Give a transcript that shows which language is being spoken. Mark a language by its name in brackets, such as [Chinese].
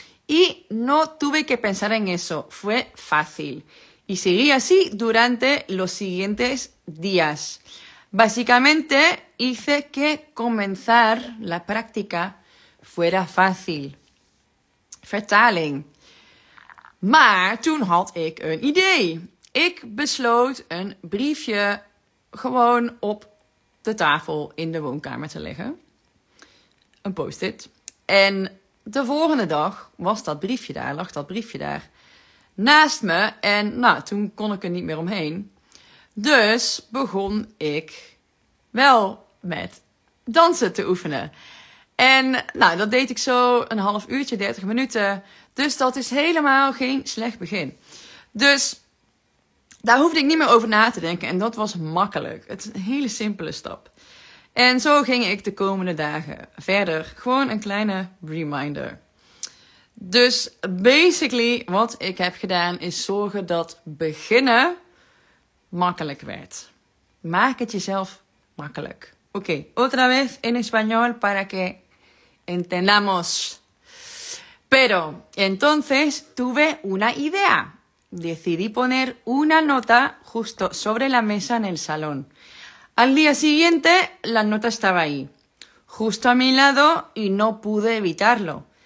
[Spanish] Y no tuve que pensar en eso. Fue fácil. Y seguí así durante los siguientes días. Básicamente, hice que comenzar la práctica fuera fácil. [Dutch] Vertaling. Maar toen had ik een idee. Ik besloot een briefje gewoon op de tafel in de woonkamer te leggen. Een post-it. En de volgende dag was dat briefje daar, lag dat briefje daar naast me. En nou, toen kon ik er niet meer omheen. Dus begon ik wel met dansen te oefenen. En nou, dat deed ik zo een half uurtje, 30 minuten. Dus dat is helemaal geen slecht begin. Dus daar hoefde ik niet meer over na te denken. En dat was makkelijk. Het is een hele simpele stap. En zo ging ik de komende dagen verder. Gewoon een kleine reminder. Dus basically wat ik heb gedaan is zorgen dat beginnen makkelijk werd. Maak het jezelf makkelijk. [Spanish] Oké, otra vez en español para que entendamos. Pero entonces tuve una idea. Decidí poner una nota justo sobre la mesa en el salón. Al día siguiente, la nota estaba ahí, justo a mi lado, y no pude evitarlo.